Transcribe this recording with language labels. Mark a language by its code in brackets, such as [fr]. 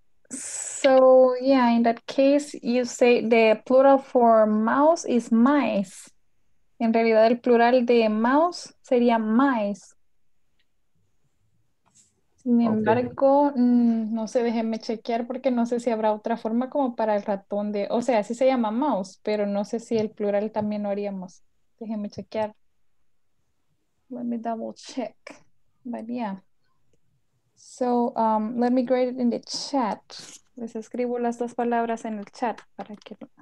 [en] So, yeah, in that case, you say the plural for mouse is mice. [es] En realidad, el plural de mouse sería mice. Sin embargo, no sé, déjenme chequear porque no sé si habrá otra forma como para el ratón de... O sea, sí se llama mouse, pero no sé si el plural también lo haríamos. Déjenme chequear. [en] Let me double check. But yeah. So, let me grade it in the chat. [es] Les escribo las dos palabras en el chat para que...